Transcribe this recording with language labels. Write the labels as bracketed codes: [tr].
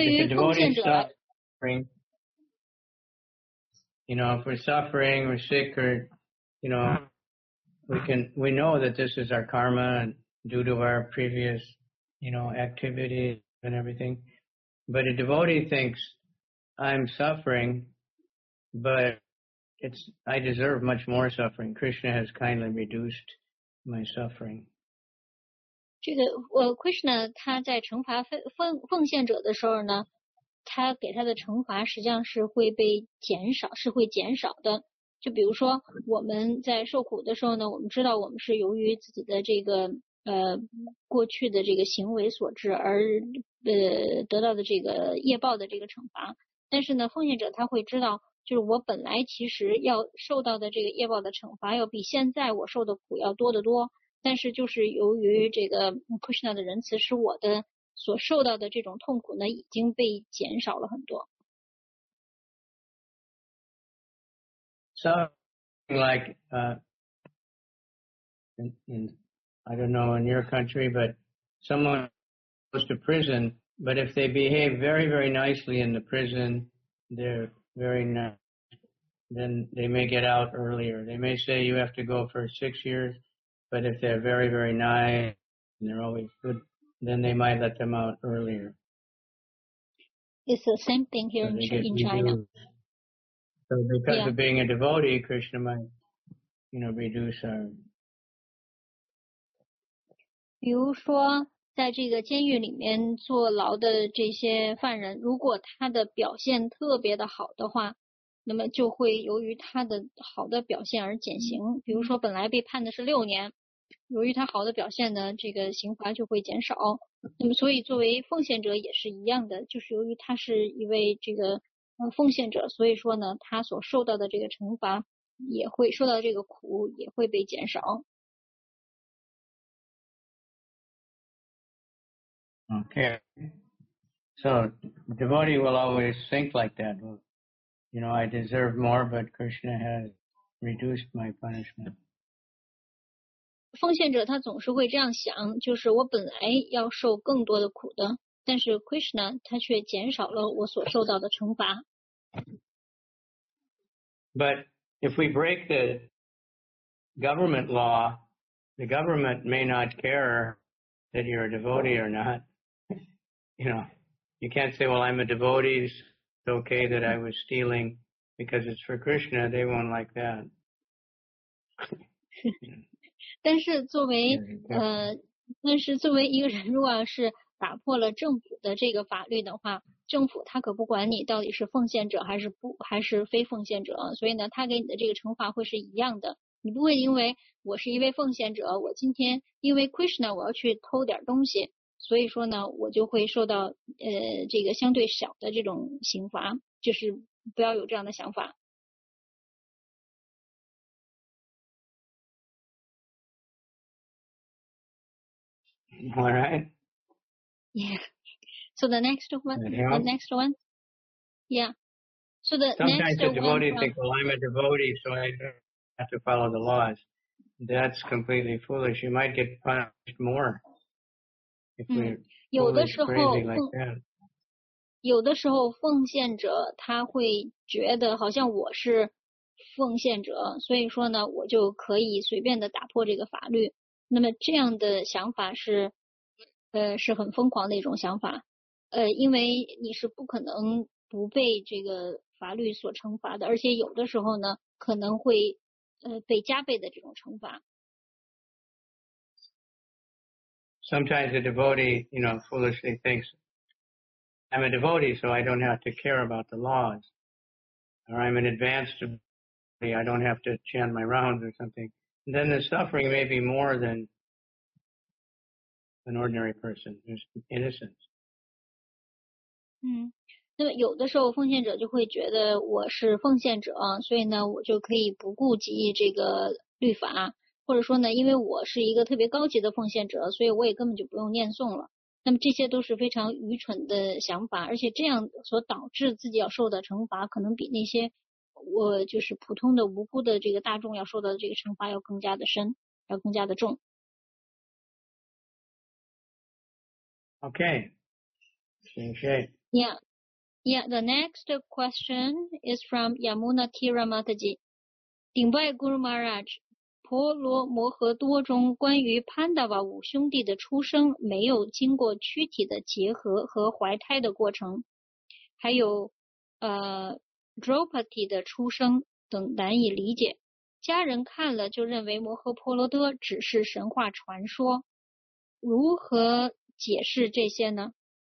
[en] if the devotee is suffering, you know, if we're suffering, we're sick, or, you know, we know that this is our karma and due to our previous, you know, activities and everything. But a devotee thinks, I'm suffering, but I deserve much more suffering. Krishna has kindly reduced my suffering. [zh] 这个Krishna 他在惩罚奉献者的时候呢，他给他的惩罚实际上是会被减少，是会减少的。就比如说我们在受苦的时候呢，我们知道我们是由于自己的这个过去的这个行为所致而得到的这个业报的这个惩罚。但是呢，奉献者他会知道，就是我本来其实要受到的这个业报的惩罚要比现在我受的苦要多得多，但是就是由于这个 Krishna 的仁慈，使我的所受到的这种痛苦呢已经被减少了很多。 [en] So like in I don't know in your country, but someone goes to prison, but if they behave very very nicely in the prison, they're very nice, then they may get out earlier. They may say you have to go for 6 years, but if they're very, very nice and they're always good, then they might let them out earlier. It's the same thing here in China. So because of being a devotee, Krishna might, you know, reduce our... [zh] 比如说在这个监狱里面坐牢的这些犯人，如果他的表现特别的好的话，那么就会由于他的好的表现而减刑。比如说本来被判的是6年，由于他好的表现呢，这个刑罚就会减少。那么所以作为奉献者也是一样的，就是由于他是一位这个奉献者，所以说呢他所受到的这个惩罚也会受到这个苦也会被减少。 [en] Okay, so devotee will always think like that. You know, I deserve more, but Krishna has reduced my punishment. [zh] 奉献者他总是会这样想，就是我本来要受更多的苦的，但是 Krishna 他却减少了我所受到的惩罚。 [en] But if we break the government law, the government may not care that you're a devotee or not. You know, you can't say, well, I'm a devotee, okay that I was stealing because it's for Krishna, they won't like that. [zh] 但是作为但是作为一个人，如果是打破了政府的这个法律的话，政府他可不管你到底是奉献者还是非奉献者，所以呢他给你的这个惩罚会是一样的。你不会因为我是一位奉献者，我今天因为 Krishna 我要去偷点东西，所以说呢我就会受到这个相对小的这种刑罚，就是不要有这样的想法。 [en] All right. Yeah. So the next one, the next one. Yeah. So the sometimes the devotee thinks, well, I'm a devotee, so I don't have to follow the laws. That's completely foolish. You might get punished more. [zh] 有的时候奉献者他会觉得好像我是奉献者，所以说呢，我就可以随便的打破这个法律。那么这样的想法是很疯狂的一种想法，因为你是不可能不被这个法律所惩罚的，而且有的时候呢，可能会被加倍的这种惩罚。 [en] Sometimes a devotee, you know, foolishly thinks, I'm a devotee, so I don't have to care about the laws, or I'm an advanced devotee, I don't have to chant my rounds or something. And then the suffering may be more than an ordinary person who's innocent. [zh] 那么有的时候奉献者就会觉得我是奉献者，所以呢，我就可以不顾及这个律法。或者说呢，因为我是一个特别高级的奉献者，所以我也根本就不用念诵了。那么这些都是非常愚蠢的想法，而且这样所导致自己要受的惩罚，可能比那些我就是普通的无辜的这个大众要受的这个惩罚要更加的深，要更加的重。 [en] Okay. Okay. Yeah. The next question is from Yamuna Tira Mataji. Dingbai Guru Maharaj. [zh] 婆罗摩诃多中关于 Pandava 五兄弟的出生没有经过躯体的结合和怀胎的过程，还有Draupadi 的出生等难以理解，家人看了就认为摩诃婆罗多只是神话传说，如何解释这些呢？